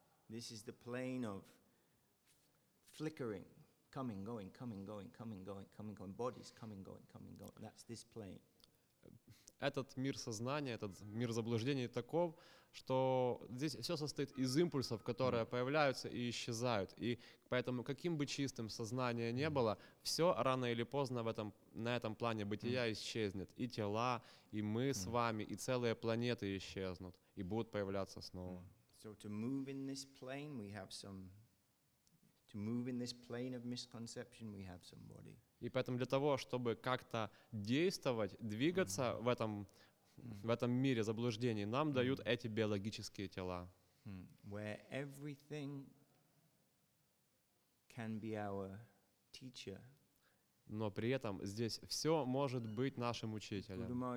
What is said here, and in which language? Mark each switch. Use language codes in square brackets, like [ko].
[en] This is the plane of flickering, coming, going, coming, going, coming, going, coming, going, bodies coming, going, coming, going. That's this plane. [ru] Этот мир сознания, этот мир заблуждений таков, что здесь все состоит из импульсов, которые появляются и исчезают. И поэтому, каким бы чистым сознание ни было, все рано или поздно на этом плане бытия исчезнет. И тела, и мы с вами, и целые планеты исчезнут, и будут появляться снова. [en] So to move in this plane, we have some to move in this plane of misconception, we have somebody. [ru] И поэтому для того, чтобы как-то действовать, двигаться mm-hmm. в этом mm-hmm. в этом мире заблуждений, нам mm-hmm. дают эти биологические тела. Mm-hmm. [en] Where everything can be our teacher. [ru] Но при этом здесь все может быть нашим учителем.